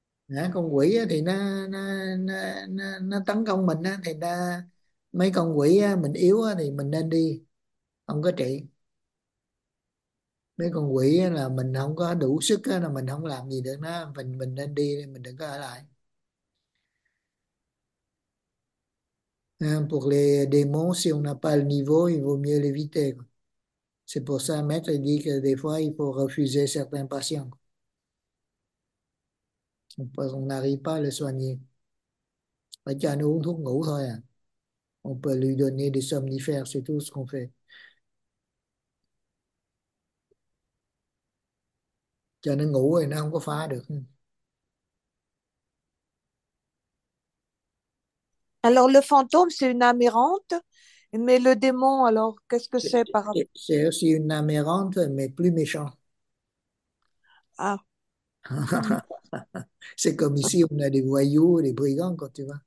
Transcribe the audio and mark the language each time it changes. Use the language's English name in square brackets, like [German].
[Vietnamese] đã, con quỷ thì nó tấn công mình thì nó, mấy con quỷ mình yếu thì mình nên đi không có trị, mấy con quỷ là mình không có đủ sức là mình không làm gì được nó, mình nên đi, mình đừng có ở lại. [French] Pour les démons, si on n'a pas le niveau, il vaut mieux l'éviter. C'est pour ça, maître dit que des fois, il faut refuser certains patients. On n'arrive pas à le soigner. On va juste [Vietnamese] uống thuốc ngủ thôi à. [French] On peut lui donner des somnifères, c'est tout ce qu'on fait. [Vietnamese] Cho nó ngủ rồi nó không có phá được. [French] Alors le fantôme c'est une âme errante, mais le démon alors qu'est-ce que c'est par rapport? C'est aussi une âme errante, mais plus méchant. Ah. C'est comme ici, on a des voyous, des brigands, quand tu